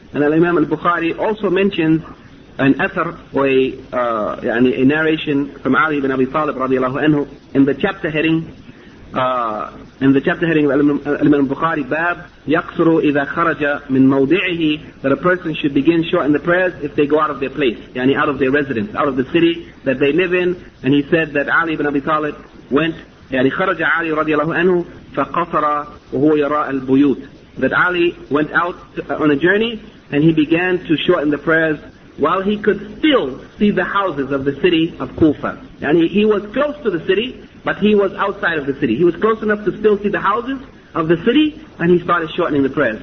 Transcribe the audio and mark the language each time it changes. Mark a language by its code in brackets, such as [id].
[en] And Al-Imam al-Bukhari also mentions an athar, or a narration from Ali ibn Abi Talib radiallahu anhu, in the chapter heading of Al-Imam al-Bukhari, Bab [ar] يَقْصُرُ إِذَا خَرَجَ مِنْ مَوْدِعِهِ, [en] that a person should begin shorten the prayers if they go out of their place, yani out of their residence, out of the city that they live in. And he said that Ali ibn Abi Talib went [ar] يعني خرج علي رضي الله عنه فقصر وهو يرى البيوت. [en] That Ali went out on a journey and he began to shorten the prayers while he could still see the houses of the city of Kufa. And he was close to the city, but he was outside of the city. He was close enough to still see the houses of the city, and he started shortening the prayers.